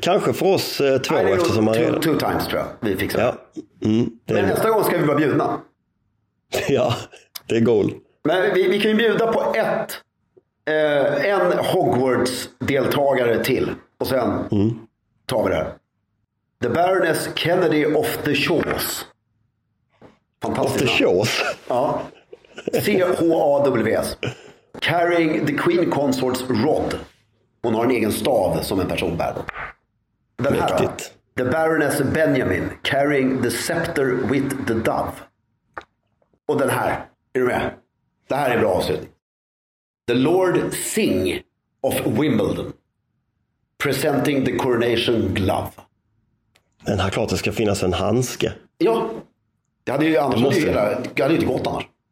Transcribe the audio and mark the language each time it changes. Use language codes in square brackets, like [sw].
[sv] Kanske för oss två. Nej, eftersom man [en] two times [sv] tror jag vi fixar. Ja. Mm, men nästa gång ska vi vara bjudna. Ja, det är goal. Men vi kan ju bjuda på ett en Hogwarts-deltagare till. Och sen tar vi det här. [en] The Baroness Kennedy of the Shaws. [sv] Fantastiskt. Of the Shaws? Ja. C-H-A-W-S. [en] Carrying the Queen Consort's rod. [sv] Hon har en egen stav som en person bär. Den här. Mäktigt. [en] The Baroness Benjamin. Carrying the scepter with the dove. [sv] Och den här. Är du med? Det här är bra avslutning. [en] The Lord Singh of Wimbledon presenting the coronation glove. [sv] Men här klart det ska finnas en handske. Ja, det hade ju annars måste... det hade inte gått annars.